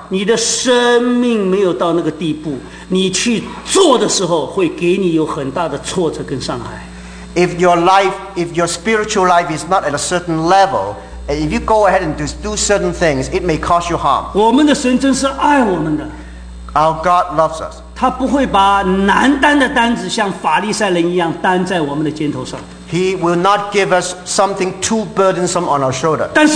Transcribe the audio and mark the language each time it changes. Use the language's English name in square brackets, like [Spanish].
[Chinese] 你的生命没有到那个地步, 你去做的时候会给你有很大的挫折跟伤害。 [English] If your life, if your spiritual life is not at a certain level, if you go ahead and do certain things, it may cause you harm. [Chinese] 我们的神真是爱我们的。 [English] Our God loves us. [Chinese] 他不会把难担的担子像法利赛人一样担在我们的肩头上。 [English] He will not give us something too burdensome on our shoulder.